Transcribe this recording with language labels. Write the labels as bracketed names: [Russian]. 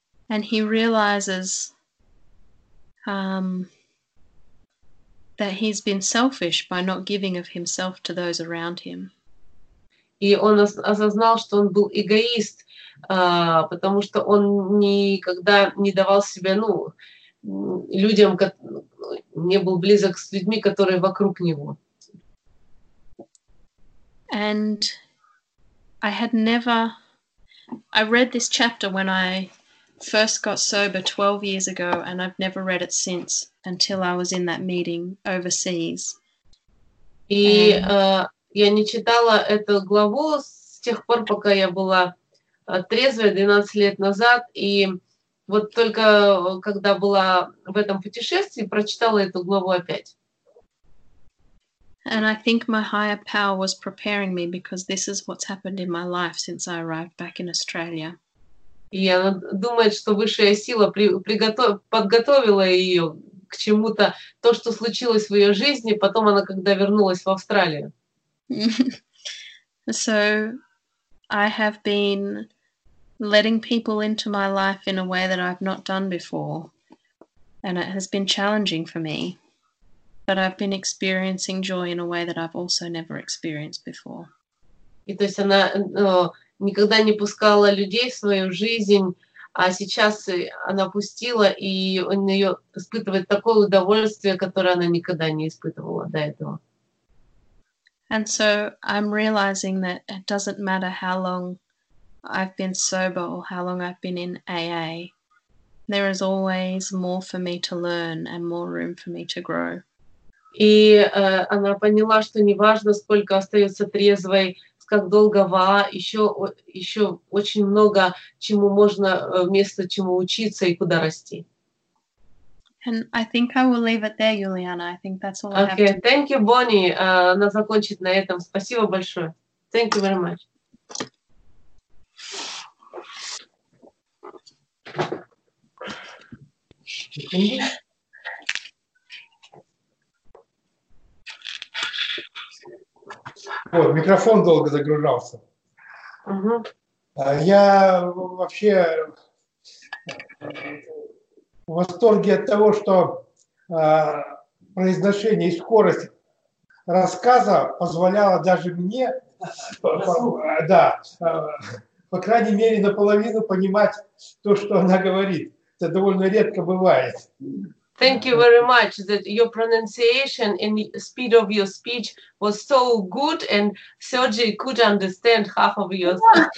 [English] And he realizes that he's been selfish by not giving of himself to those around him. [Russian] И он осознал, что он был эгоист, потому что он никогда не давал себя, ну, людям, не был близок с людьми, которые вокруг него. [English] And I had never... I read this chapter when I first got sober 12 years ago, and I've never read it since, until I was in that meeting overseas. [Russian] И я не читала эту главу с тех пор, пока я была трезвая 12 лет назад, и вот только когда была в этом путешествии, прочитала эту главу опять. [English] And I think my higher power was preparing me because this is what's happened in my life since I arrived back in Australia. [Russian] И она думает, что высшая сила подготовила ее к чему-то, то, что случилось в ее жизни, потом она, когда вернулась в Австралию. [English] So I have been letting people into my life in a way that I've not done before, and it has been challenging for me. But I've been experiencing joy in a way that I've also never experienced before. [Russian] И то есть она никогда не пускала людей в свою жизнь, а сейчас она пустила, и у нее испытывает такое удовольствие, которое она никогда не испытывала до этого. [English] And so I'm realizing that it doesn't matter how long I've been sober or how long I've been in AA, there is always more for me to learn and more room for me to grow. [Russian] И она поняла, что неважно, сколько остается трезвой, как долго ВА, еще очень много чему можно, вместо чему учиться и куда расти. [English] And I think I will leave it there, Juliana. I think that's all okay. I have to... Thank you, Bonnie. [Russian] Она закончит на этом. Спасибо большое. [English] Thank you very much. [Russian] Ой, микрофон долго загружался. Я вообще в восторге от того, что произношение и скорость рассказа позволяло даже мне, по крайней мере, наполовину понимать то, что она говорит. Это довольно редко бывает. [English] Thank you very much that your pronunciation and the speed of your speech was so good and Sergei could understand half of your speech.